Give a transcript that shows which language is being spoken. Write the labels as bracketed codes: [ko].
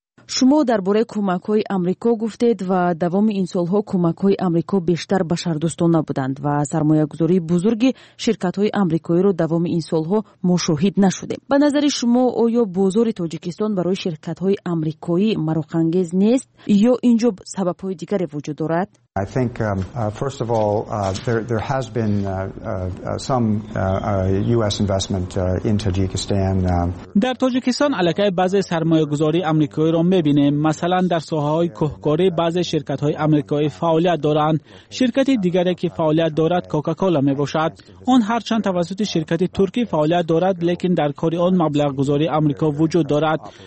[fa] شما درباره کمک های آمریکا گفتید و دوام این سال ها کمک های آمریکا بیشتر بشر دوستانه بودند و سرمایه گذاری بزرگ شرکت های آمریکایی را دوام این سال ها مشاهده نشده. به نظر شما آیا بازار تاجیکستان برای شرکت های آمریکایی مرغ‌انگیز نیست یا اینجا سبب های دیگری وجود دارد؟ [en] I think first of all there has been some US investment in Tajikistan. [fa] در تاجیکستان علاقه بعضی سرمایه‌گذاری آمریکایی را می‌بینیم. مثلا در ساحه‌های کوهکاری بعضی شرکت‌های آمریکایی فعالیت دارند. شرکتی دیگری که فعالیت دارد کوکاکولا می‌باشد. آن هرچند توسط شرکت ترکی فعالیت دارد، لیکن در کار آن مبلغ‌گذاری آمریکا وجود دارد.